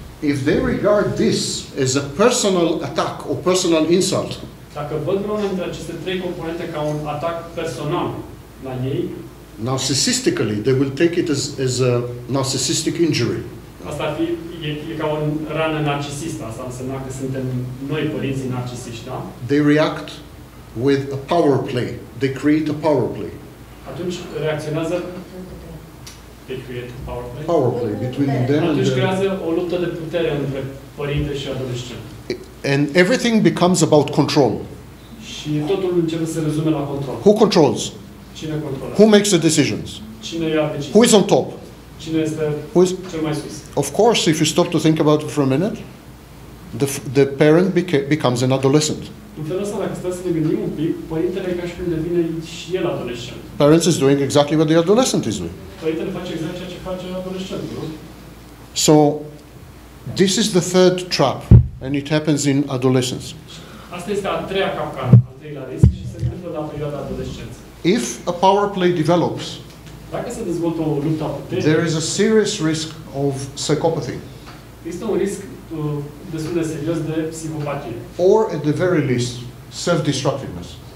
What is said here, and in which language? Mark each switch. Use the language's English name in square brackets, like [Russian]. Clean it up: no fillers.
[English] If they regard this as a personal attack or personal insult. [Romanian] Dacă văd unul dintre aceste trei componente ca un atac personal la ei. [English] Narcissistically, they will take it as a narcissistic injury. [Romanian] Asta ar fi, e ca o rană narcisistă. Asta înseamnă că suntem noi părinții narcisiști, da? [English] They react with a power play. They create a power play. [Romanian] Atunci reacționează. [English] They create a power play. Power play between them [Romanian] atunci [English] and [Romanian] creează o luptă de putere între părinte și adolescent. [English] And everything becomes about control. [Romanian] Și totul începe să se rezume la control. [English] Who controls? [Romanian] Cine controlează? [English] Who makes the decisions? [Romanian] Cine ia decizii? [English] Who is on top? [Romanian] Cine este cel mai sus? [English] Of course, if you stop to think about it for a minute, the parent becomes an adolescent. [Romanian] În felul ăsta, dacă stai să ne gândim un pic, părintele ca și cum devine și el adolescent. [English] Parents is doing exactly what the adolescent is doing. [Romanian] Părintele face exact ceea ce face adolescentul. [English] So, this is the third trap. And it happens in adolescence. [Romanian] Asta este a treia capcană, a treia risc și se întâmplă la perioada adolescenței. [English] If a power play develops, [Romanian] dacă se dezvoltă o luptă puternică, [English] there is a serious risk of psychopathy. [Romanian] Este un risc destul de serios de psihopatie. [English] Or at the very least, self-destructiveness.